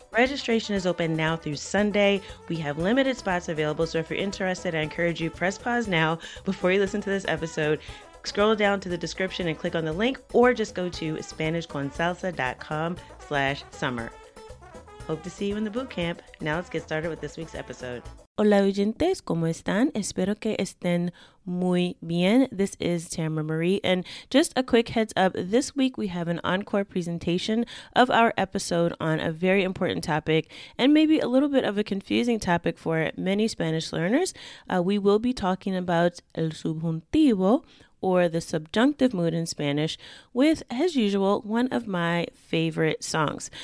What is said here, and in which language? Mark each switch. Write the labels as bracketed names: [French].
[English] Registration is open now through Sunday. We have limited spots available. So if you're interested, I encourage you press pause now before you listen to this episode. Scroll down to the description and click on the link, or just go to SpanishConSalsa.com/summer. Hope to see you in the boot camp. Now let's get started with this week's episode. [Spanish] Hola oyentes, ¿cómo están? Espero que estén muy bien. [English] This is Tamara Marie, and just a quick heads up, this week we have an encore presentation of our episode on a very important topic, and maybe a little bit of a confusing topic for many Spanish learners. We will be talking about [Spanish] el subjuntivo, [English] or the subjunctive mood in Spanish, with, as usual, one of my favorite songs.